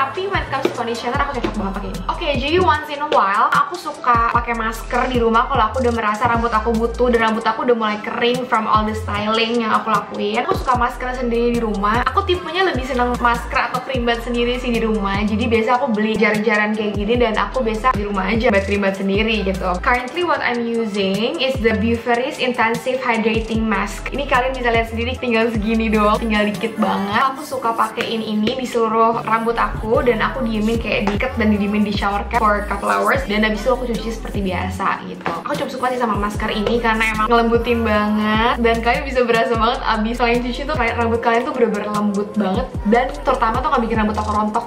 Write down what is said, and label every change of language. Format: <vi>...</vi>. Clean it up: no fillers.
<id>Tapi</id> <en>when it comes to</en> <id>conditioner aku cocok banget pakai ini. Oke, jadi</id> <en>once in a while</en> <id>aku suka pakai masker di rumah kalau aku udah merasa rambut aku butuh dan rambut aku udah mulai kering</id> <en>from all the styling</en> <id>yang aku lakuin. Aku suka masker sendiri di rumah. Aku tipenya lebih seneng masker atau cream bat sendiri sih di rumah. Jadi biasa aku beli jar-jaran kayak gini dan aku biasa di rumah aja bat-krimbat sendiri gitu.</id> <en>Currently what I'm using is the Buferis Intensive Hydrating Mask.</en> <id>Ini kalian bisa lihat sendiri tinggal segini doang, tinggal dikit banget. Aku suka pakein ini di seluruh rambut aku dan aku diemin kayak diket dan diemin di shower cap</id> <en>for couple hours</en> <id>dan abis itu aku cuci seperti biasa gitu. Aku cukup suka sih sama masker ini karena emang ngelembutin banget dan kalian bisa berasa banget abis selain cuci tuh rambut kalian tuh bener-bener lembut banget dan terutama tuh gak bikin rambut aku rontok.</id>